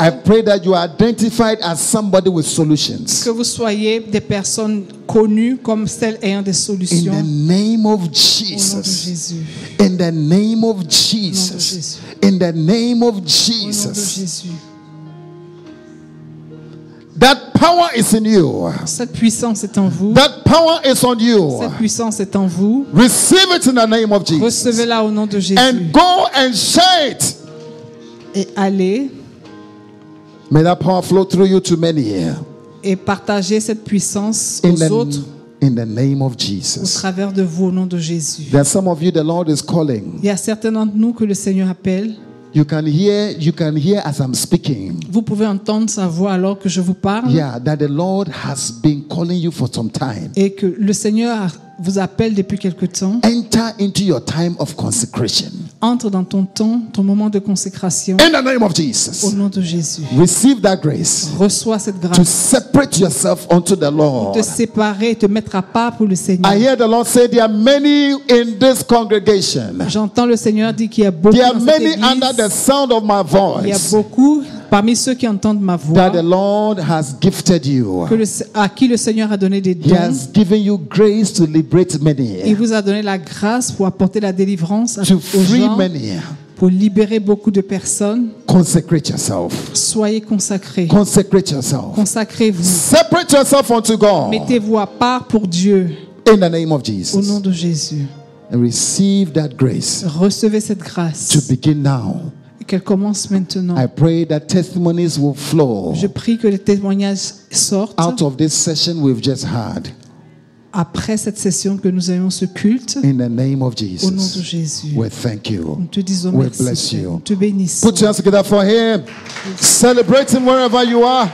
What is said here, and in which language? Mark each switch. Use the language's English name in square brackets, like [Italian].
[English] I pray that you are identified as somebody with solutions. [French] Que vous soyez des personnes connues comme celles ayant des solutions. [English] In the name of Jesus. [French] Au nom de Jésus. [English] In the name of Jesus. [French] Au nom de Jésus. [English] In the name of Jesus. [French] Au nom de Jésus. [English] That power is in you. [French] Cette puissance est en vous. [English] That power is on you. [French] Cette puissance est en vous. [English] Receive it in the name of Jesus. [French] Recevez-la au nom de Jésus. [English] And go and share it. [French] Et allez. [English] May that power flow through you to many. [French] Et partagez cette puissance aux autres. [English] In the name of Jesus. [French] Au travers de vous au nom de Jésus. [English] There are some of you the Lord is calling. [French] Il y a certains d'entre nous que le Seigneur appelle. [English] You can hear as I'm speaking. [French] Vous pouvez entendre sa voix alors que je vous parle. [English] Yeah, that the Lord has been calling you for some time. [French] Et que le Seigneur vous appelle depuis quelque temps. [English] Enter into your time of consecration. [French] Entre dans ton temps, ton moment de consécration. [English] In the name of Jesus. [French] Au nom de Jésus. [English] Receive that grace. [French] Reçois cette grâce. [English] To separate yourself unto the Lord. [French] Te séparer, te mettre à part pour le Seigneur. [English] I hear the Lord say there are many in this congregation. [French] J'entends le Seigneur dire qu'il y a beaucoup [English] there [French] dans cette église. [English] There are many under the sound of my voice. [French] Il y a beaucoup parmi ceux qui entendent ma voix, [English] that the Lord has gifted you. [French] À qui le Seigneur a donné des dons. [English] He has given you grace to liberate many. [French] Il vous a donné la grâce pour apporter la délivrance [English] to [French] aux [English] free [French] gens, [English] many. [French] Pour libérer beaucoup de personnes. [English] Consecrate yourself. [French] Soyez consacrés. [English] Consecrate yourself. [French] Consacrez-vous. [English] Separate yourself unto God. [French] Mettez-vous à part pour Dieu. [English] In the name of Jesus. [French] Au nom de Jésus. [English] And receive that grace. [French] Recevez cette grâce. [English] To begin now. [French] Qu'elle commence maintenant. [English] I pray that testimonies will flow. [French] Je prie que les témoignages sortent. [English] Out of this session we've just had. [French] Après cette session que nous avons ce culte. [English] In the name of Jesus. [French] Au nom de Jésus. [English] We thank you. [French] Nous te disons [English] we [French] merci. [English] We bless you. [French] Nous te bénissons. [English] Put your hands together for him. Yes. Celebrate him wherever you are.